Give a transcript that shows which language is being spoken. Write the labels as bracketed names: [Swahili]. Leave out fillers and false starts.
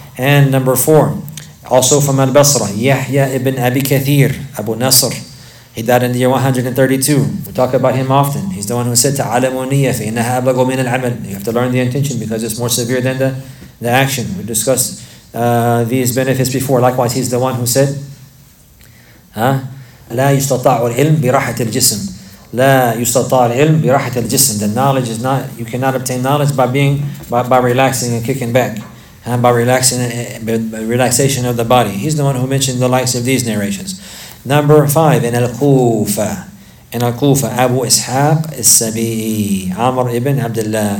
[English] And number four, also from al-Basra, Yahya ibn Abi Kathir, Abu Nasr, he died in the year 132. We talk about him often. He's the one who said, [Arabic] "Ta'alamu niyya fi innaha ablagu min al-amal." [English] You have to learn the intention because it's more severe than the action. We discussed these benefits before. Likewise, he's the one who said, [Arabic] لا يستطاع العلم براحة الجسم. لا يستطاع العلم براحة الجسم. [English] The knowledge is not, you cannot obtain knowledge by relaxing and kicking back. And by relaxation of the body. He's the one who mentioned the likes of these narrations. Number five, in Al-Kufa, Abu Ishaq al-Sabi'i, Amr ibn Abdullah.